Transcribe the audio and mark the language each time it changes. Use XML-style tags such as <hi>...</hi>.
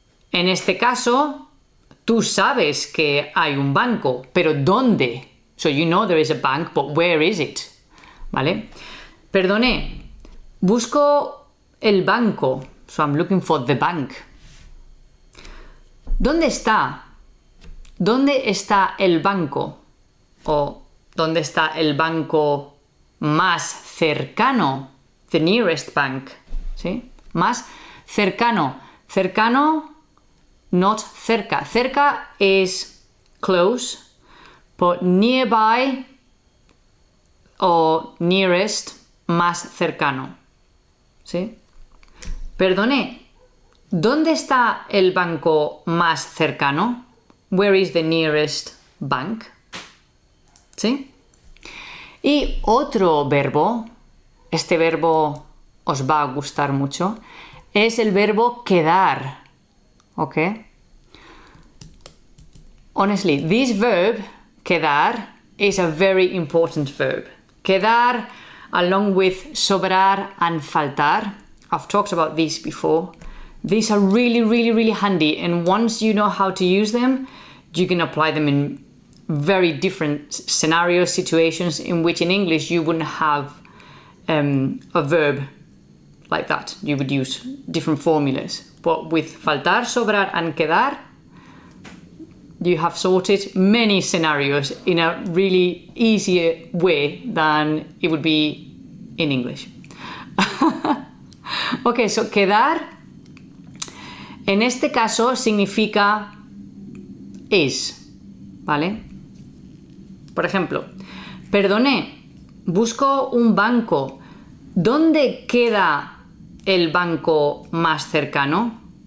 <es>En este caso, tú sabes que hay un banco, pero ¿dónde?</es> <en>So you know there is a bank, but where is it?</en> <es>¿Vale? Perdone, busco el banco.</es> <en>So I'm looking for the bank.</en> <es>¿Dónde está? ¿Dónde está el banco? O ¿dónde está el banco más cercano?</es> <en>The nearest bank.</en> <es>¿Sí? Más cercano.</es> <en>Cercano, not cerca. Cerca is close, but nearby o nearest,</en> <es>más cercano. ¿Sí? Perdone, ¿dónde está el banco más cercano?</es> <en>Where is the nearest bank?</en> <es>¿Sí? Y otro verbo, este verbo os va a gustar mucho, es el verbo quedar. ¿Ok?</es> <en>Honestly, this verb, quedar, is a very important verb. Quedar, along with sobrar and faltar, I've talked about these before, these are really, really, really handy, and once you know how to use them, you can apply them in very different scenarios, situations in which in English you wouldn't have a verb like that. You would use different formulas. But with faltar, sobrar and quedar, you have sorted many scenarios in a really easier way than it would be in English. Okay, so</en> <es>quedar, en este caso, significa</es> <en>is,</en> <es>¿vale? Por ejemplo, perdone, busco un banco. ¿Dónde queda el banco más cercano?</es>